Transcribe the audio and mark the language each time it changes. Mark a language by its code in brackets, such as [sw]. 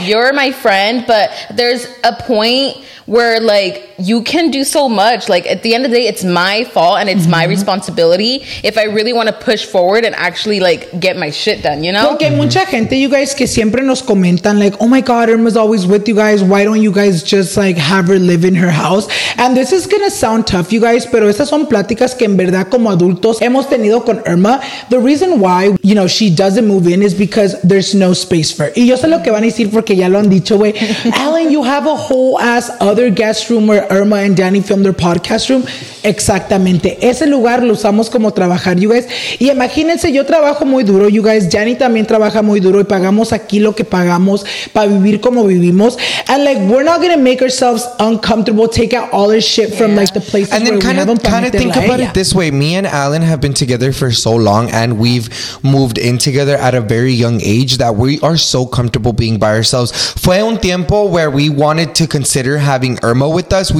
[en] You're my friend, but there's a point where, like, you can do so much. Like, at the end of the day, it's my fault and it's, mm-hmm, my responsibility if I really want to push forward and actually, like, get my shit done, you know? [es] Porque, mm-hmm, mucha gente, [en] you guys, [es] que siempre nos comentan, [en] like, oh my God, Irma's always with you guys. Why don't you guys just, like, have her live in her house? And this is gonna sound tough, you guys, [es] pero estas son pláticas que en verdad como adultos hemos tenido con Irma. [en] The reason why, you know, she doesn't move in is because there's no space for her. [es] Y yo sé lo que van a decir porque ya lo han dicho, güey. [en] Alan, you have a whole ass other guest room where Irma and Danny filmed their podcast room. [es] Exactamente. Ese lugar lo usamos como trabajar, you guys. Y imagínense, yo trabajo muy duro, you guys. Danny también trabaja muy duro y pagamos aquí lo que pagamos para vivir como vivimos. [en] And, like, we're not going to make ourselves uncomfortable, take out all this shit from, yeah, like, the places and where kinda, we haven't. And then kind of think about it this way. Me and Alan have been together for so long and we've moved in together at a very young age that we are so comfortable being by ourselves. [es] Fue un tiempo [en] where we wanted to consider having Irma with us.